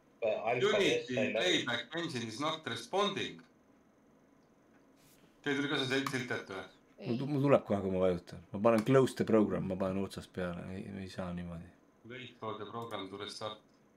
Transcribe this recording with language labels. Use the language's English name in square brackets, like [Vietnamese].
[English] Unity playback engine is not responding. [Estonian] Teil tuli ka see silt ette või? Mul tuleb kohe, kui ma vajutan. Ma panen [English] close the program, [Estonian] ma panen otsas peale. Ei saa niimoodi. [English] Wait for the program to restart.